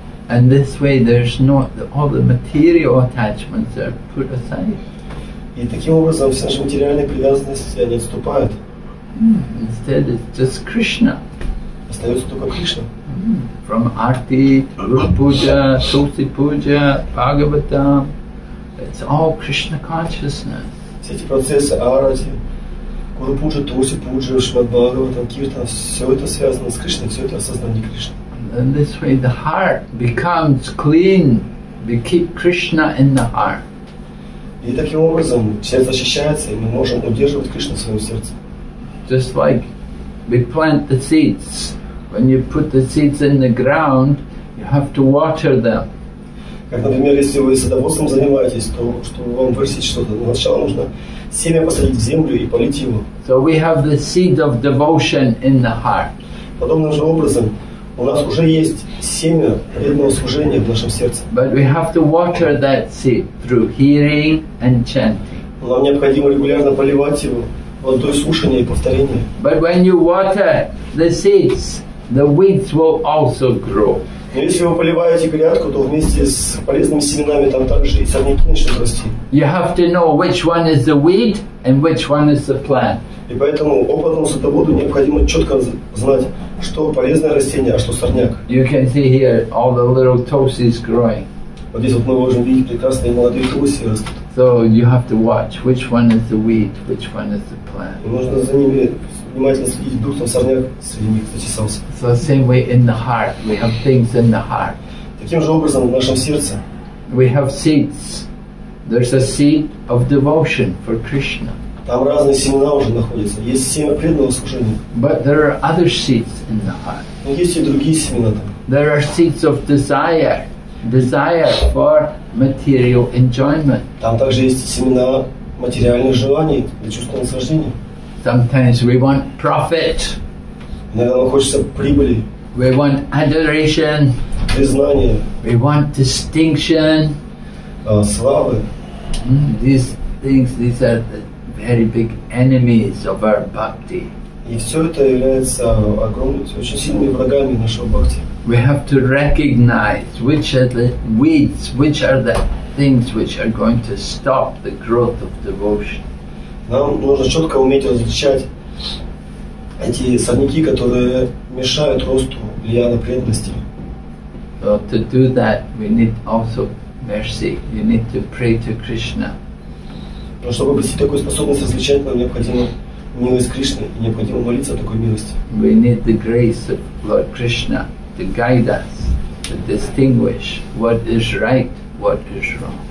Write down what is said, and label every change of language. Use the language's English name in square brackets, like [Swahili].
[English] And this way there's not, all the material attachments are put aside. [Russian] И таким образом все наши материальные привязанности они отступают. [English] Instead it's just Krishna. [Russian] Остается только Кришна. [English] From Arti, Guru Puja, Tulsi Puja, Bhagavatam, it's all Krishna consciousness. [Russian] Все эти процессы Арати, Guru Puja, Tulsi Puja, Shrimad Bhagavatam, Kirtan, все это связано с Кришной, все это осознание Кришны. [English] And this way the heart becomes clean. We keep Krishna in the heart. [Russian] И таким образом сердце очищается, и мы можем удерживать Кришну в своем сердце. [English] Just like we plant the seeds. When you put the seeds in the ground, you have to water them. [Russian] Как, например, если вы садоводством занимаетесь, то чтобы вам вырастить что-то, сначала нужно семя посадить в землю и полить его. [English] So we have the seed of devotion in the heart. [Russian] Подобным же образом у нас уже есть семя преданного служения в нашем сердце. [English] But we have to water that seed through hearing and chanting. [Russian] Нам необходимо регулярно поливать его водой слушания и повторения. [English] But when you water the seeds, the weeds will also grow. [Russian] Но если вы поливаете грядку, то вместе с полезными семенами там также и сорняки начнут расти. [English] You have to know which one is the weed and which one is the plant. [Russian] И поэтому опытному садоводу необходимо четко знать, что полезное растение, а что сорняк. [English] You can see here all the little tulsis growing. [Russian] Вот здесь вот мы можем видеть прекрасные молодые тульси растут. [English] So you have to watch which one is the weed, which one is the plant. [Russian] Нужно за ними внимательно следить, вдруг там сорняк среди них зачесался. [English] So same way in the heart, we have things in the heart. [Russian] Таким же образом в нашем сердце. [English] We have seeds. There's a seed of devotion for Krishna. [Russian] Там разные семена уже находятся. Есть семя преданного служения. [English] But there are other seeds in the heart. [Russian] Но есть и другие семена там. [English] There are seeds of desire. Desire for material enjoyment. [Russian] Там также есть семена материальных желаний для чувства наслаждения. [English] Sometimes we want profit. [Russian] Иногда нам хочется прибыли. [English] We want adoration. [Russian] Признание. [English] We want distinction. [Russian] Славы. [English] These things, these are the very big enemies of our bhakti. [Russian] И все это является огромными, очень сильными врагами нашего бхакти. [English] We have to recognize which are the weeds, which are the things which are going to stop the growth of devotion. [Russian] Нам нужно четко уметь различать эти сорняки, которые мешают росту лияна преданности. [English] So to do that, we need also mercy. You need to pray to Krishna. [Russian] Но чтобы обрести такую способность различать, нам необходимо милость Кришны и необходимо молиться о такой милости. [English] We need the grace of Lord Krishna to guide us, to distinguish what is right, what is wrong.